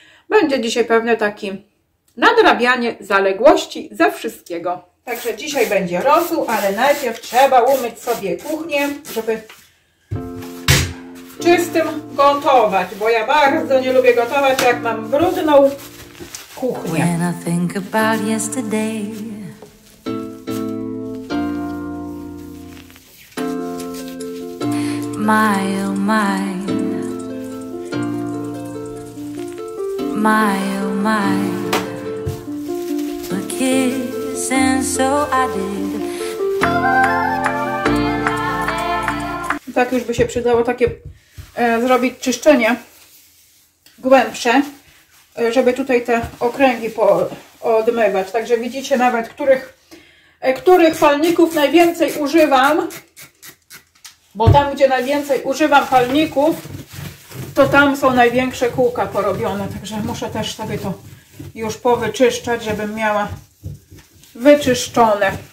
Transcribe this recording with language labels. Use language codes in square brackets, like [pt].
[pl] Będzie dzisiaj pewnie taki nadrabianie zaległości ze wszystkiego. Także dzisiaj będzie rosół, ale najpierw trzeba umyć sobie kuchnię, żeby w czystym gotować, bo ja bardzo nie lubię gotować, jak mam brudną kuchnię. [en] When I think about yesterday, my oh my. My oh my, a kiss and so I did. [pl] Tak już by się przydało takie zrobić czyszczenie głębsze, żeby tutaj te okręgi odmywać. Także widzicie nawet, których palników najwięcej używam, bo tam gdzie najwięcej używam palników, to tam są największe kółka porobione, także muszę też sobie to już powyczyszczać, żebym miała wyczyszczone.